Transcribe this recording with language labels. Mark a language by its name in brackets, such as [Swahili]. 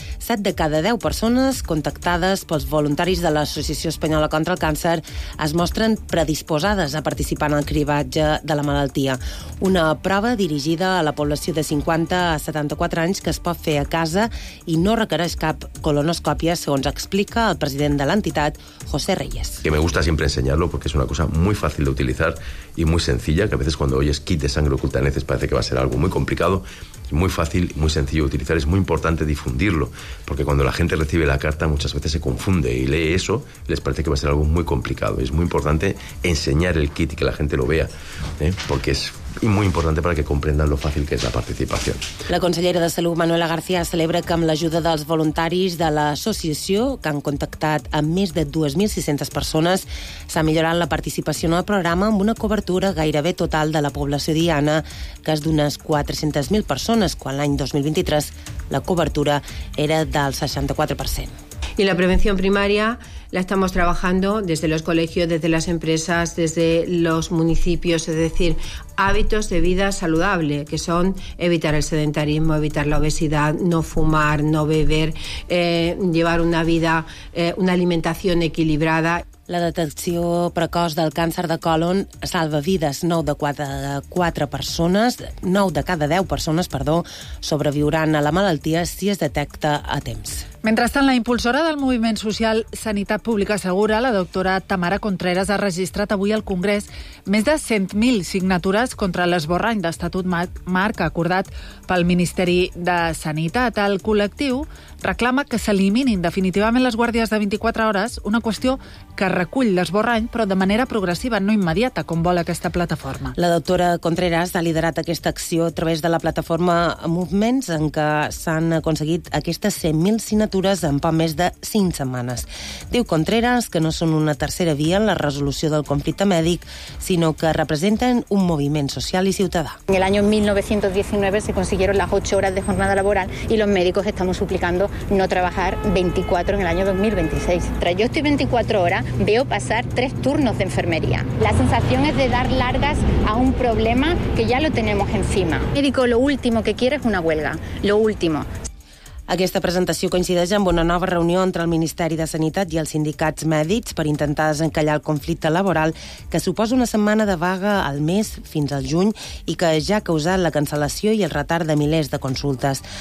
[Catalan] 7 de cada 10 persones contactades pels voluntaris de l'Associació Espanyola contra el Càncer es mostren predisposades a participar en el cribatge de la malaltia. Una prova dirigida a la població de 50 a 74 anys que es pot fer a casa i no requereix cap colonoscòpia, segons explica el president de l'entitat, José Reyes. [Spanish] Que me gusta siempre enseñarlo porque es una cosa muy fácil de utilizar y muy sencilla, que a veces cuando oyes kit de sangre oculta en heces parece que va a ser algo muy complicado. Es muy fácil, muy sencillo de utilizar, es muy importante difundirlo, porque cuando la gente recibe la carta muchas veces se confunde y lee eso, les parece que va a ser algo muy complicado. Es muy importante enseñar el kit y que la gente lo vea, porque es y muy importante para que comprendan lo fácil que es la participación. [Catalan] La consellera de Salut, Manuela García, celebra que amb l'ajuda dels voluntaris de l'associació, que han contactat amb més de 2.600 persones, s'ha millorat la participació en el programa amb una cobertura gairebé total de la població diana, que és d'unes 400.000 persones, quan l'any 2023 la cobertura era del 64%. [Spanish] Y la prevención primaria la estamos trabajando desde los colegios, desde las empresas, desde los municipios, es decir, hábitos de vida saludable, que son evitar el sedentarismo, evitar la obesidad, no fumar, no beber, llevar una vida, una alimentación equilibrada. [Catalan] La detecció precoç del càncer de colon salva vides. 9 de cada 10 persones, sobreviuran a la malaltia si es detecta a temps. Mentrestant, la impulsora del moviment social Sanitat Pública Segura, la doctora Tamara Contreras, ha registrat avui al Congrés més de 100.000 signatures contra l'esborrany d'Estatut Marc acordat pel Ministeri de Sanitat. El col·lectiu reclama que s'eliminin definitivament les guàrdies de 24 hores, una qüestió que recull l'esborrany, però de manera progressiva, no immediata, com vol aquesta plataforma. La doctora Contreras ha liderat aquesta acció a través de la plataforma Movements, en què s'han aconseguit aquestes 100.000 signatures en poc més de 5 setmanes. Diu Contreras que no són una tercera via en la resolució del conflicte mèdic, sinó que representen un moviment social i ciutadà. [Spanish] En el año 1919 se consiguieron las 8 horas de jornada laboral y los médicos estamos suplicando no trabajar 24 en el año 2026. Tras yo estoy 24 horas, veo pasar 3 turnos de enfermería. La sensación es de dar largas a un problema que ya lo tenemos encima. El médico lo último que quiere es una huelga, lo último. [Catalan] Aquesta presentació coincideix amb una nova reunió entre el Ministeri de Sanitat i els sindicats mèdics per intentar desencallar el conflicte laboral que suposa una setmana de vaga al mes fins al juny i que ja ha causat la cancel·lació i el retard de milers de consultes.